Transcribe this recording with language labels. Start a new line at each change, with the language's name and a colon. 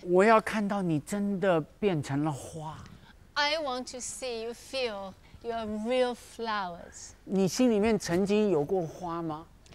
Chinese: 我要看到你真的变成了花。
English: I want to see you feel your real flowers.
Chinese: 你心里面曾经有过花吗?